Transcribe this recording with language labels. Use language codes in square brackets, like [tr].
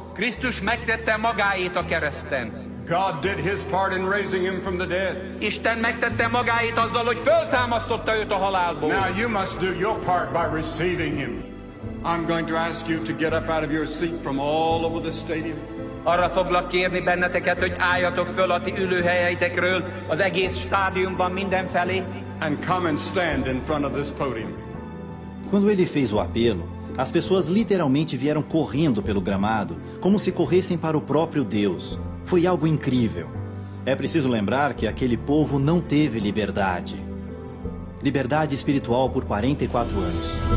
[hu] Krisztus megtette magáit a kereszten. [en] God did his part in raising him from the dead. [hu] Isten megtette magáit azzal, hogy föltámasztotta őt a halálból. [en] Now you must do your part by receiving him. I'm going to ask you to get up out of your seat from all over the stadium. [hu] Arra foglak kérni benneteket, hogy álljatok föl a ti ülőhelyeitekről az egész stádiumban mindenfelé. [en] And come and stand in front of this podium. [pt] Quando ele fez o apelo, as pessoas literalmente vieram correndo pelo gramado, como se corressem para o próprio Deus. Foi algo incrível. É preciso lembrar que aquele povo não teve liberdade. Liberdade espiritual por 44 anos.